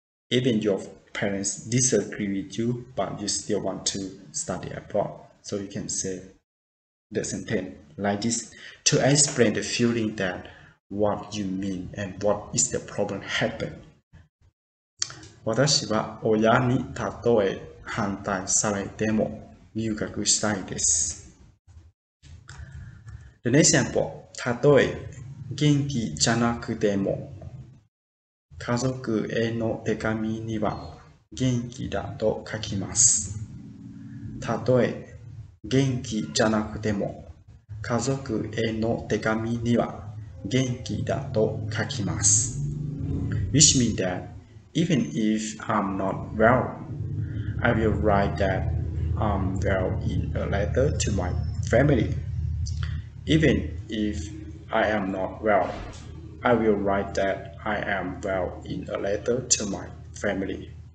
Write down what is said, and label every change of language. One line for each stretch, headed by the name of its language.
English: Even your parents disagree with you, but you still want to study abroad. So you can say the sentence like this to explain the feeling that what you mean and what is the problem happened.
Japanese: 私は親にたとえ反対されても留学したいです。
English: The next example、
Japanese: たとえ元気じゃなくても家族への手紙には元気だと書きます。たとえ元気じゃなくても家族への手紙には元気だと書きます。
English: Which means that even if I'm not well, I will write that I'm well in a letter to my family. Even if I am not well, I will write that I am well in a letter to my family.